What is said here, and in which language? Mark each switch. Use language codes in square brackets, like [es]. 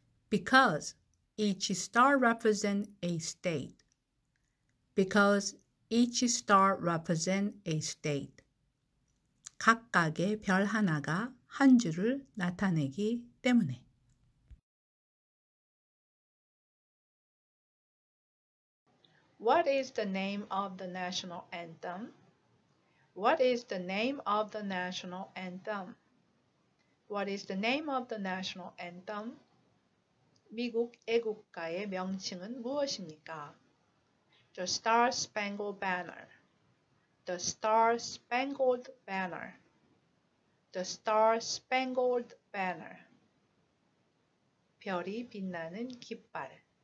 [en] Because each star represents a state. Because each star represents a state. [ko] 각각의 별 하나가 한 주를 나타내기 때문에. [en] What is the name of the national anthem? What is the name of the national anthem? What is the name of the national anthem? [ko] 미국 애국가의 명칭은 무엇입니까? [en] The Star-Spangled Banner. The Star-Spangled Banner. The Star-Spangled Banner. [ko] 별이 빛나는 깃발.